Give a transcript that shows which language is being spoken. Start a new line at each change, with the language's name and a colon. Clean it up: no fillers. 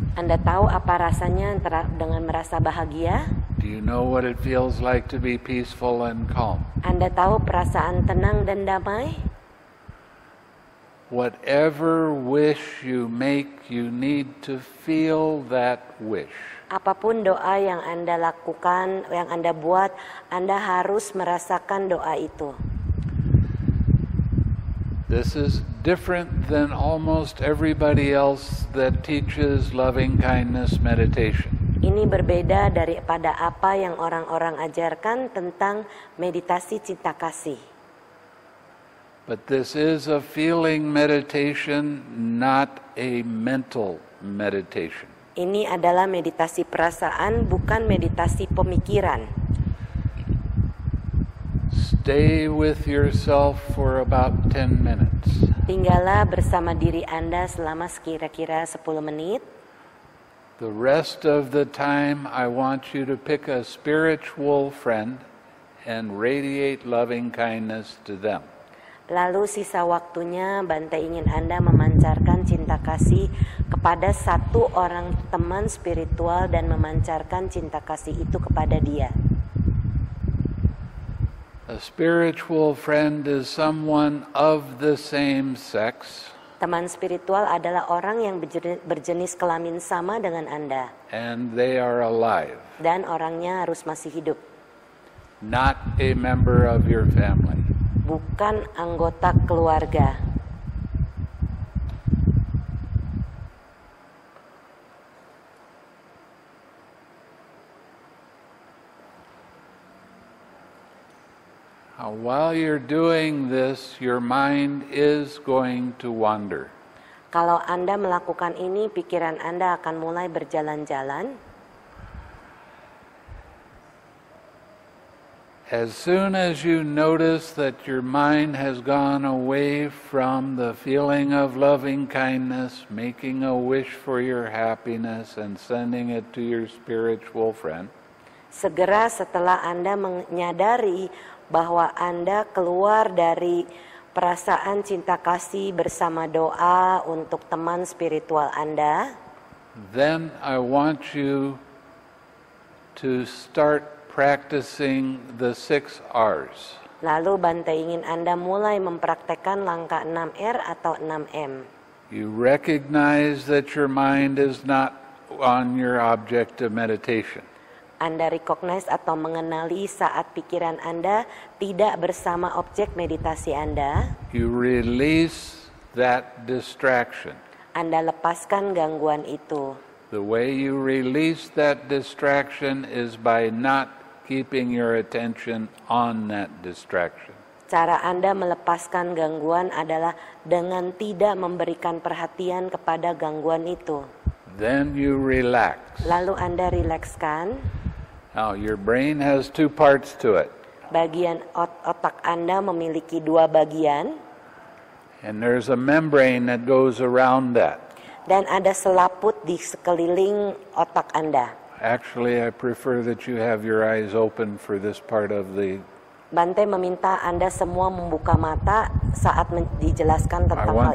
Indonesian: Anda tahu apa rasanya dengan merasa bahagia?
English: Do you know what it feels like to be peaceful and calm?
Indonesian: Anda tahu perasaan tenang dan damai?
English: Whatever wish you make, you need to feel that wish.
Indonesian: Apapun doa yang Anda lakukan, yang Anda buat, Anda harus merasakan doa itu.
English: This is different than almost everybody else that teaches loving kindness meditation.
Indonesian: Ini berbeda daripada apa yang orang-orang ajarkan tentang meditasi cinta kasih.
English: But this is a feeling meditation, not a mental meditation.
Indonesian: Ini adalah meditasi perasaan, bukan meditasi pemikiran.
English: Stay with yourself for about 10 minutes.
Indonesian: Tinggallah bersama diri Anda selama kira-kira 10 menit.
English: The rest of the time I want you to pick a spiritual friend and radiate loving kindness to them.
Indonesian: Lalu sisa waktunya Bhante ingin Anda memancarkan cinta kasih kepada satu orang teman spiritual dan memancarkan cinta kasih itu kepada dia.
English: A spiritual friend is someone of the same sex.
Indonesian: Teman spiritual adalah orang yang berjenis kelamin sama dengan Anda.
English: And they are alive.
Indonesian: Dan orangnya harus masih hidup.
English: Not a member of your family.
Indonesian: Bukan anggota keluarga.
English: While you're doing this, your mind is going to wander.
Indonesian: Kalau Anda melakukan ini, pikiran Anda akan mulai berjalan-jalan.
English: As soon as you notice that your mind has gone away from the feeling of loving kindness, making a wish for your happiness and sending it to your spiritual friend.
Indonesian: Segera setelah Anda menyadari bahwa Anda keluar dari perasaan cinta kasih bersama doa untuk teman spiritual Anda.
English: Then I want you to start practicing the 6 R's.
Indonesian: Lalu Bhante ingin Anda mulai mempraktekkan langkah 6 R atau 6 M.
English: You recognize that your mind is not on your object of meditation.
Indonesian: Anda
English: recognize
Indonesian: atau mengenali saat pikiran Anda tidak bersama objek meditasi Anda.
English: You release that distraction.
Indonesian: Anda lepaskan gangguan itu.
English: The way you release that distraction is by not keeping your attention on that distraction.
Indonesian: Cara Anda melepaskan gangguan adalah dengan tidak memberikan perhatian kepada gangguan itu.
English: Then you relax.
Indonesian: Lalu Anda rilekskan.
English: Now, your brain has 2 parts to it.
Indonesian: Bagian otak Anda memiliki 2 bagian.
English: And there's a membrane that goes around that.
Indonesian: Dan ada selaput di sekeliling otak Anda.
English: Actually, I prefer that you have your eyes open for this part of the...
Indonesian: Bhante meminta Anda semua membuka mata saat dijelaskan tentang hal ini.